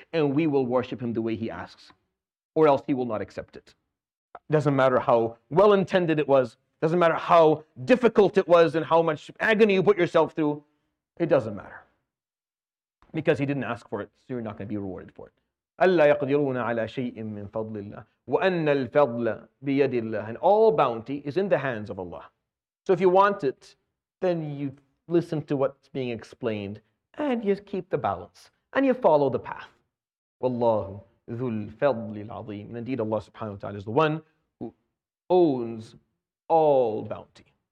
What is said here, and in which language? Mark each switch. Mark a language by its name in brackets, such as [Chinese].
[English] And we will worship him the way he asks. Or else he will not accept it. Doesn't matter how well-intended it was. Doesn't matter how difficult it was and how much agony you put yourself through. It doesn't matter. Because he didn't ask for it, so you're not going to be rewarded for it. [Arabic] أَلَّا يَقْدِرُونَ عَلَى شَيْءٍ مِّن فَضْلِ اللَّهِ وَأَنَّ الْفَضْلَ بِيَدِ اللَّهِ [English] And all bounty is in the hands of Allah. So if you want it, then you listen to what's being explained and you keep the balance and you follow the path. [Arabic] وَاللَّهُ ذُو الْفَضْلِ الْعَظِيمِ [English] And indeed Allah subhanahu wa ta'ala is the one who owns all bounty.